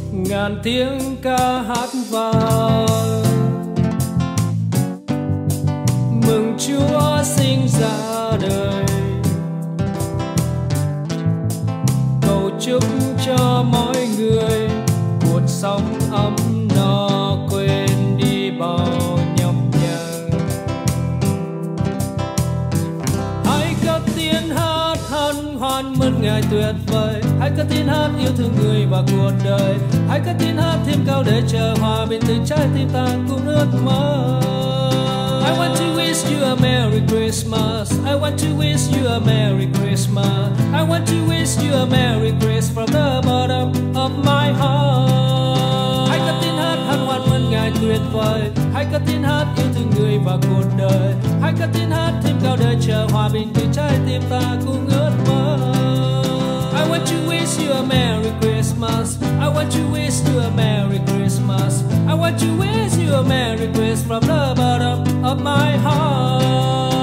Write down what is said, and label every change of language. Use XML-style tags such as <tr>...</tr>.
<vi>Ngàn tiếng ca hát vang, mừng Chúa sinh ra đời, cầu chúc cho mọi người cuộc sống ấm no quên đi bao nhọc nhằn. Hãy cất tiếng hát hân hoan mừng ngày tuyệt vời, hãy cất tiếng hát yêu thương người và cuộc đời. Hãy cất tiếng hát thêm cao để chờ hòa bình từ trái tim ta cùng ước mơ.</vi> <en>I want to wish you a Merry Christmas. I want to wish you a Merry Christmas. I want to wish you a Merry Christmas from the bottom of my heart.</en> <vi>Hãy cất tiếng hát hân hoan mừng ngày tuyệt vời. Hãy cất tiếng hát yêu thương người và cuộc đời. Hãy cất tiếng hát thêm cao để chờ hòa bình từ trái tim ta cùng ước mơ.</vi> <en>I want to wish you a Merry Christmas. I want to wish you a Merry Christmas. I want to wish you a Merry Christmas from the bottom of my heart.</en>